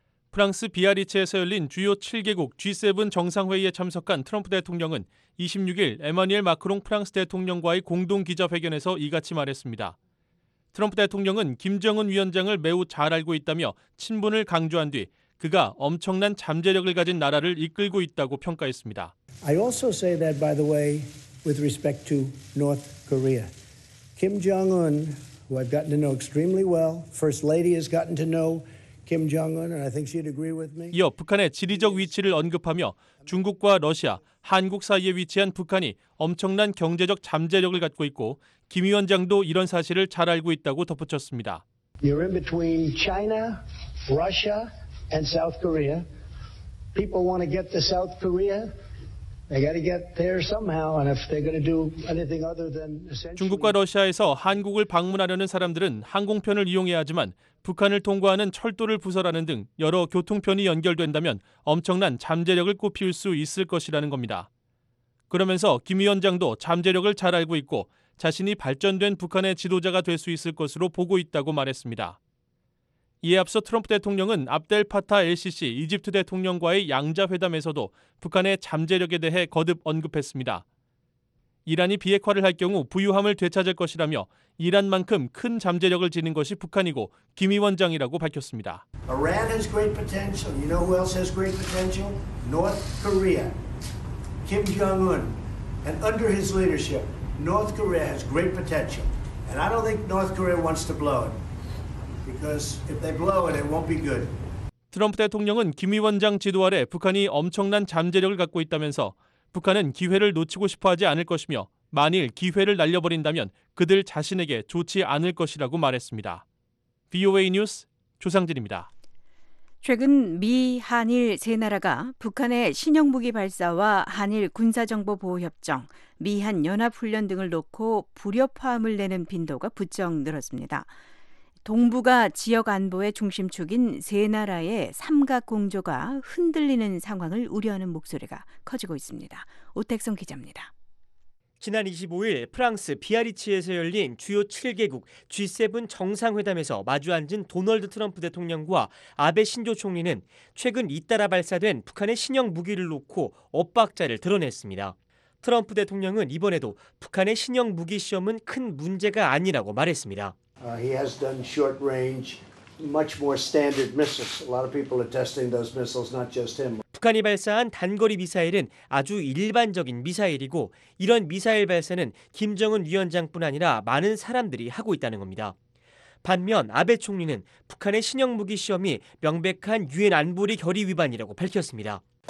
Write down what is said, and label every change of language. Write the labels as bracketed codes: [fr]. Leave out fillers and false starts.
[ko] 프랑스 비아리츠에서 열린 주요 7개국 G7 정상회의에 참석한 트럼프 대통령은 26일 에마뉘엘 마크롱 프랑스 대통령과의 공동 기자회견에서 이같이 말했습니다. 트럼프 대통령은 김정은 위원장을 매우 잘 알고 있다며 친분을 강조한 뒤 그가 엄청난 잠재력을 가진 나라를 이끌고 있다고 평가했습니다. [en] I also say that by the way with respect to North Korea. Kim Jong-un, who I've gotten to know extremely well, First Lady has gotten to know Kim Jong-un, and I think she'd agree with me. [ko] 이어 북한의 지리적 위치를 언급하며 중국과 러시아, 한국 사이에 위치한 북한이 엄청난 경제적 잠재력을 갖고 있고 김 위원장도 이런 사실을 잘 알고 있다고 덧붙였습니다. [en] You're in between China, Russia, and South Korea. People want to get to South Korea. They got to get there somehow, and if they're going to do anything other than essentially [ko] 중국과 러시아에서 한국을 방문하려는 사람들은 항공편을 이용해야 하지만 북한을 통과하는 철도를 부설하는 등 여러 교통편이 연결된다면 엄청난 잠재력을 꽃피울 수 있을 것이라는 겁니다. 그러면서 김 위원장도 잠재력을 잘 알고 있고 자신이 발전된 북한의 지도자가 될 수 있을 것으로 보고 있다고 말했습니다. 이에 앞서 트럼프 대통령은 압델 파타 LCC 이집트 대통령과의 양자회담에서도 북한의 잠재력에 대해 거듭 언급했습니다. 이란이 비핵화를 할 경우 부유함을 되찾을 것이라며 이란만큼 큰 잠재력을 지닌 것이 북한이고 김 위원장이라고 밝혔습니다. [en] Iran has great potential. You know who else has great potential? North Korea. Kim Jong-un. And under his leadership, North Korea has great potential. And I don't think North Korea wants to blow it. Because if they blow it, it won't be good. [ko] 트럼프 대통령은 김 위원장 지도 아래 북한이 엄청난 잠재력을 갖고 있다면서 북한은 기회를 놓치고 싶어하지 않을 것이며 만일 기회를 날려버린다면 그들 자신에게 좋지 않을 것이라고 말했습니다. VOA 뉴스 조상진입니다. 최근 미, 한일 세 나라가 북한의 신형 무기 발사와 한일 군사정보보호협정, 미한 연합훈련 등을 놓고 불협화음을 내는 빈도가 부쩍 늘었습니다. 동북아 지역 안보의 중심축인 세 나라의 삼각공조가 흔들리는 상황을 우려하는 목소리가 커지고 있습니다. 오택성 기자입니다. 지난 25일 프랑스 비아리츠에서 열린 주요 7개국 G7 정상회담에서 마주앉은 도널드 트럼프 대통령과 아베 신조 총리는 최근 잇따라 발사된 북한의 신형 무기를 놓고 엇박자를 드러냈습니다. 트럼프 대통령은 이번에도 북한의 신형 무기 시험은 큰 문제가 아니라고 말했습니다. [en] He has done short range, much more standard missiles. A lot of people are testing those missiles, not just him. [ko] 북한이 발사한 단거리 미사일은 아주 일반적인 미사일이고 이런 미사일 발사는 김정은 위원장뿐 아니라 많은 사람들이 하고 있다는 겁니다. 반면 아베 총리는 북한의 신형 무기 시험이 명백한 유엔 안보리 결의 위반이라고 밝혔습니다.